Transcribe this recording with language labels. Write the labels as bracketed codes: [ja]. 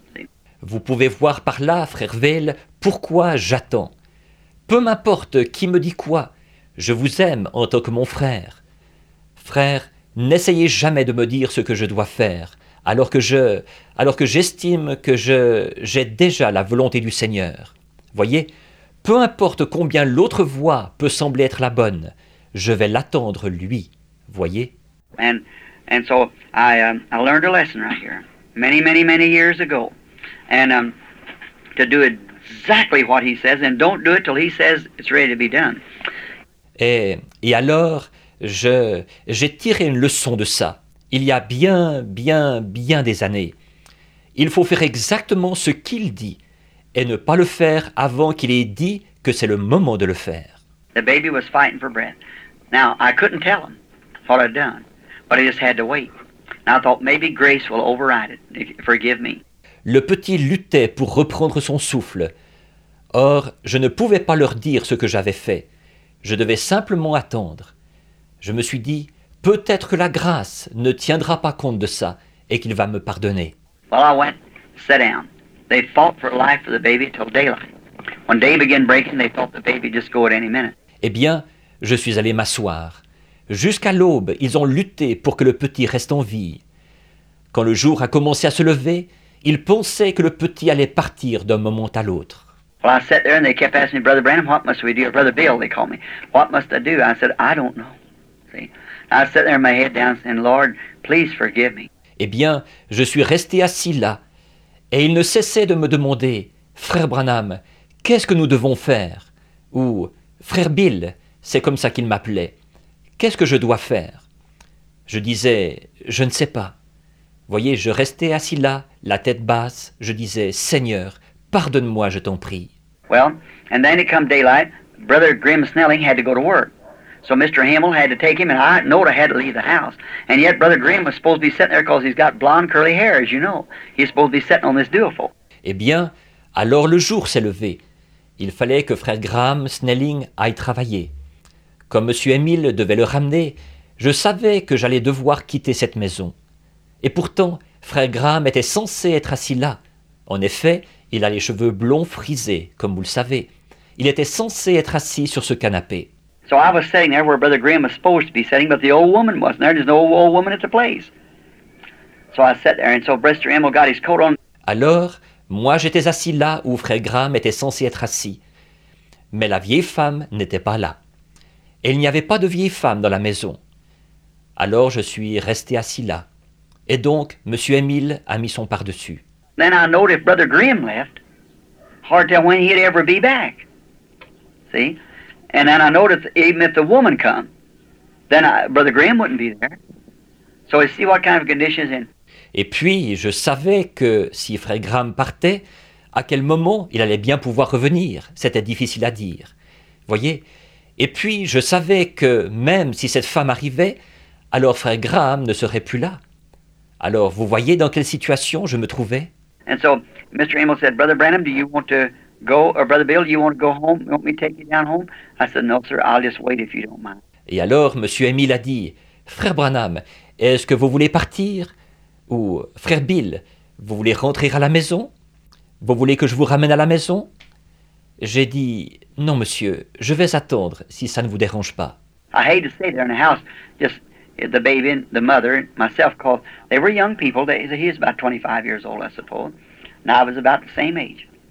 [en] See. [fr] Vous pouvez voir par là, frère Vail, pourquoi j'attends. Peu m'importe qui me dit quoi, je vous aime en tant que mon frère. Frère, n'essayez jamais de me dire ce que je dois faire, alors que j'estime que j'ai déjà la volonté du Seigneur. Voyez, peu importe combien l'autre voie peut sembler être la bonne, je vais l'attendre lui, voyez. [en] And so I learned a lesson right here, many, many, many years ago. And to do exactly what he says, and don't do it till he says it's ready to be done. [fr] Et alors, j'ai tiré une leçon de ça. Il y a bien, bien, bien des années. Il faut faire exactement ce qu'il dit, et ne pas le faire avant qu'il ait dit que c'est le moment de le faire. [en] The baby was fighting for breath. Now, I couldn't tell him what I'd done, but I just had to wait. And I thought, maybe grace will override it. Forgive me. [fr] Le petit luttait pour reprendre son souffle. Or, je ne pouvais pas leur dire ce que j'avais fait. Je devais simplement attendre. Je me suis dit, peut-être que la grâce ne tiendra pas compte de ça et qu'il va me pardonner. [en] Well, I went, sat down. They fought for life of the baby till daylight. When day began breaking, they thought the baby just go at any minute. [fr] Eh bien, je suis allé m'asseoir. Jusqu'à l'aube, ils ont lutté pour que le petit reste en vie. Quand le jour a commencé à se lever, ils pensaient que le petit allait partir d'un moment à l'autre. [en] Well, I sat there and they kept asking me, Brother Branham, what must we do? Brother Bill, they called me. What must I do? I said, I don't know. See? I sat there with my head down saying, Lord, please forgive me. [fr] Eh bien, je suis resté assis là. Et ils ne cessaient de me demander, Frère Branham, qu'est-ce que nous devons faire? Ou, Frère Bill, c'est comme ça qu'il m'appelait. Qu'est-ce que je dois faire? Je disais, je ne sais pas. Voyez, je restais assis là, la tête basse. Je disais, Seigneur, pardonne-moi, je t'en prie. [en] Well, and then it come daylight, Brother Grim Snelling had to go to work. So Mr. Hamill had to take him, and I knowed I had to leave the house. And yet Brother Grim was supposed to be sitting there because he's got blonde curly hair, as you know. He's supposed to be sitting on this duofold. [fr] Eh bien, alors le jour s'est levé. Il fallait que frère Graham Snelling aille travailler. Comme Monsieur Emile devait le ramener, je savais que j'allais devoir quitter cette maison. Et pourtant, frère Graham était censé être assis là. En effet, il a les cheveux blonds frisés, comme vous le savez. Il était censé être assis sur ce canapé. [en] So I was sitting there where Brother Graham was supposed to be sitting, but the old woman wasn't there. There's no old woman at the place. So I sat there, and so Brother Emil got his coat on. [fr] Alors, moi j'étais assis là où frère Graham était censé être assis. Mais la vieille femme n'était pas là. Et il n'y avait pas de vieille femme dans la maison. Alors je suis resté assis là. Et donc, Monsieur Emile a mis son par-dessus. [en] Then I noticed Brother Graham left. Hard to tell when he'd ever be back. See? And then I noticed even if the woman come, then Brother Graham wouldn't be there. So I see what kind of condition is in. [fr] Et puis, je savais que si Frère Graham partait, à quel moment il allait bien pouvoir revenir, c'était difficile à dire. Voyez. Et puis, je savais que même si cette femme arrivait, alors Frère Graham ne serait plus là. Alors, vous voyez dans quelle situation je me trouvais. [en] And so, Mr. Amos said, Brother Branham, do you want to go, or Brother Bill, you want to go home? You want me to take you down home? I said, no, sir, I'll just wait if you don't mind. [fr] Et alors, Monsieur Emile a dit, Frère Branham, est-ce que vous voulez partir? Ou, Frère Bill, vous voulez rentrer à la maison? Vous voulez que je vous ramène à la maison? J'ai dit, non, monsieur, je vais attendre, si ça ne vous dérange pas. [en] I hate to stay there in the house, just the baby, and the mother, and myself, because they were young people. He was about 25 years old, I suppose, and I was about the same age.